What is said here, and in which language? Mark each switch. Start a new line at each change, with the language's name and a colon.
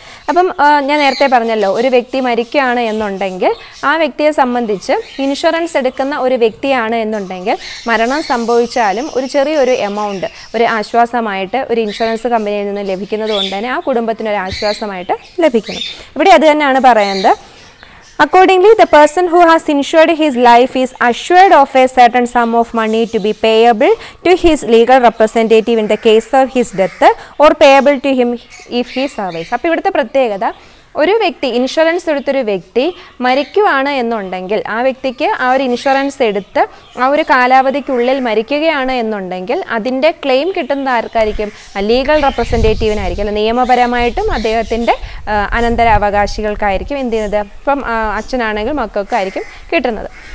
Malayalam: അപ്പം ഞാൻ നേരത്തെ പറഞ്ഞല്ലോ, ഒരു വ്യക്തി മരിക്കുകയാണ് എന്നുണ്ടെങ്കിൽ ആ വ്യക്തിയെ സംബന്ധിച്ച് ഇൻഷുറൻസ് എടുക്കുന്ന ഒരു വ്യക്തിയാണ് എന്നുണ്ടെങ്കിൽ മരണം സംഭവിച്ചാലും ഒരു ചെറിയൊരു എമൗണ്ട് ഒരു ആശ്വാസമായിട്ട് ഒരു ഇൻഷുറൻസ് കമ്പനിയിൽ നിന്ന് ലഭിക്കുന്നത് കൊണ്ട് തന്നെ ആ കുടുംബത്തിനൊരു ആശ്വാസമായിട്ട് ലഭിക്കണം. ഇവിടെ അത് തന്നെയാണ് പറയുന്നത്.
English: Accordingly, the person who has insured his life is assured of a certain sum of money to be payable to his legal representative in the case of his death or payable to him if he survives.
Malayalam: അപ്പോൾ ഇവിടുത്തെ പ്രത്യേകത, ഒരു വ്യക്തി insurance എടുത്തൊരു വ്യക്തി മരിക്കുകയാണ് എന്നുണ്ടെങ്കിൽ ആ വ്യക്തിക്ക് ആ ഒരു ഇൻഷുറൻസ് എടുത്ത് ആ ഒരു കാലാവധിക്കുള്ളിൽ മരിക്കുകയാണ് എന്നുണ്ടെങ്കിൽ അതിൻ്റെ ക്ലെയിം കിട്ടുന്നത് ആർക്കായിരിക്കും? ലീഗൽ റെപ്രസെൻറ്റേറ്റീവിനായിരിക്കും, അല്ലെങ്കിൽ നിയമപരമായിട്ടും അദ്ദേഹത്തിൻ്റെ അനന്തരാവകാശികൾക്കായിരിക്കും എന്ത് ചെയ്യുന്നത്, ഇപ്പം അച്ഛനാണെങ്കിൽ മക്കൾക്ക് ആയിരിക്കും കിട്ടുന്നത്.